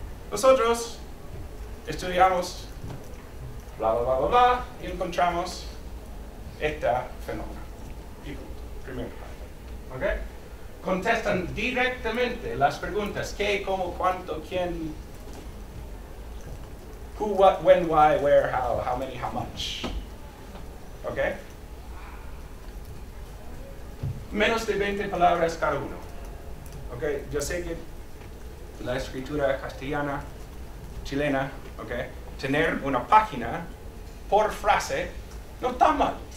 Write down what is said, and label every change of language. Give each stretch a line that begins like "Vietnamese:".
Spanish: Nosotros estudiamos bla, bla, bla, bla, bla, y encontramos este fenómeno. Y punto. Primer paso. ¿Ok? Contestan directamente las preguntas. ¿Qué, cómo, cuánto, quién?
English: Who, what, when, why, where, how many, how much?
Spanish: ¿Ok? Menos de 20 palabras cada uno. ¿Ok? Yo sé que la escritura castellana, chilena, ¿ok? Tener una página por frase, no está mal.